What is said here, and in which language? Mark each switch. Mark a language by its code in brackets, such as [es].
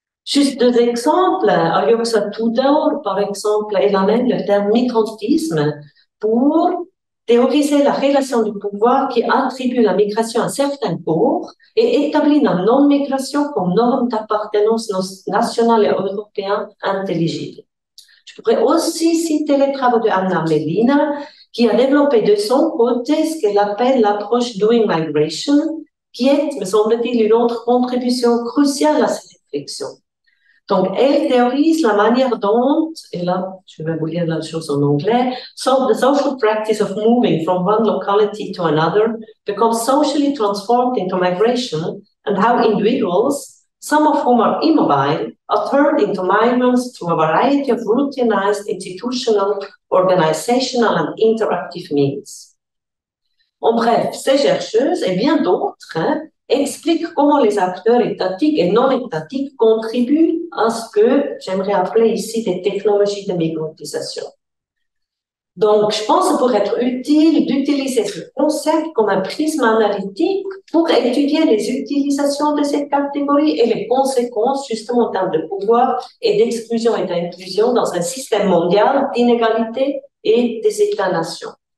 [fr] Juste deux exemples, Alyosha Tudor, par exemple, elle amène le terme migrantisme pour théoriser la relation du pouvoir qui attribue la migration à certains cours et établit la non-migration comme norme d'appartenance nationale et européenne intelligible. Je pourrais aussi citer les travaux de Anna Melina, qui a développé de son côté ce qu'elle appelle l'approche Doing Migration, qui est, me semble-t-il, une autre contribution cruciale à cette réflexion. Donc, elle théorise la manière dont, et là, je vais vous lire la chose en anglais, [en] so, the social practice of moving from one locality to another becomes socially transformed into migration, and how individuals, some of whom are immobile, are turned into migrants through a variety of routinized institutional, organizational, and interactive means. [fr] En bref, ces chercheuses et bien d'autres, hein, explique comment les acteurs étatiques et non étatiques contribuent à ce que j'aimerais appeler ici des technologies de migrantisation. Donc, je pense que ça pourrait être utile d'utiliser ce concept comme un prisme analytique pour étudier les utilisations de cette catégorie et les conséquences, justement, en termes de pouvoir et d'exclusion et d'inclusion dans un système mondial d'inégalités et des États-nations.